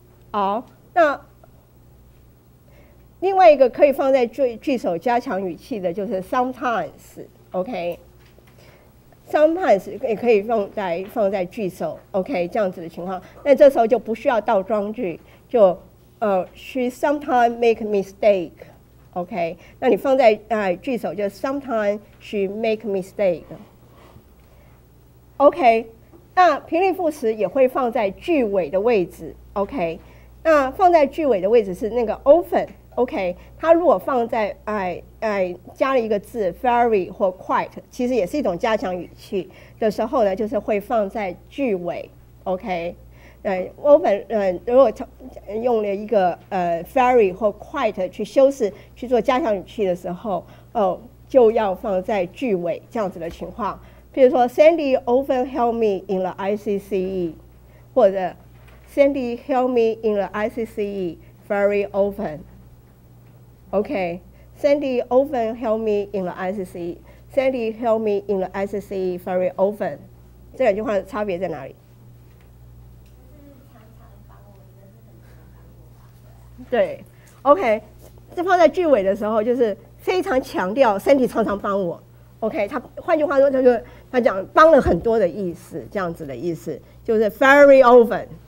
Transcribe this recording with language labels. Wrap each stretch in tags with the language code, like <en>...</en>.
<zh>好，那另外一个可以放在句首加强语气的就是 sometimes， OK，Sometimes 也可以放在句首 ，OK， 这样子的情况。那这时候就不需要倒装句，就</zh> <en>she sometimes make mistake，</en> <zh>OK、okay?。那你放在句首就</zh> <en>sometimes she make mistake，</en> <zh>OK、okay?。那频率副词也会放在句尾的位置 ，OK。那放在句尾的位置是那个 often，OK、okay?。它如果放在加了一个字 very 或 quite， 其实也是一种加强语气的时候呢，就是会放在句尾 ，OK？ often 如果用了一个very 或 quite 去修饰去做加强语气的时候，就要放在句尾这样子的情况。比如说</zh> <en>，Sandy often help me in the ICCE，</en> <zh>或者</zh> <en>Sandy help me in the ICCE very often，OK？、Okay? Sandy often help me in the ICCE. Sandy help me in the ICCE very often.</en> <zh>这两句话的差别在哪里？对 ，OK， 这放在句尾的时候就是非常强调 Sandy 常常帮我。 OK， 他换句话说就是他讲帮了很多的意思，这样子的意思就是</zh> <en>very often。</en>